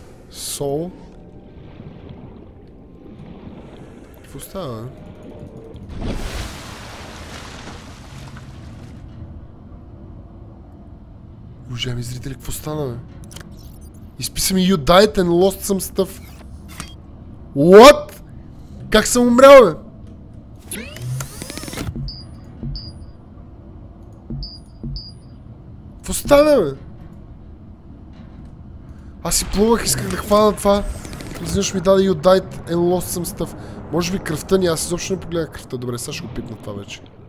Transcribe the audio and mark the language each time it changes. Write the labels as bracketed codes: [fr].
[bg] Сол. Какво става? Уважаеми зрители, какво стана, бе? Изписам и [en] you died and lost some stuff. What? [bg] Как съм умрял, бе? Какво стана, бе? Аз си плувах, исках да хвана това. Изведнъж ми даде [en] you died and lost some stuff. [bg] Може би кръвта ни, аз изобщо не погледах кръвта. Добре, сега ще го пипна това вече.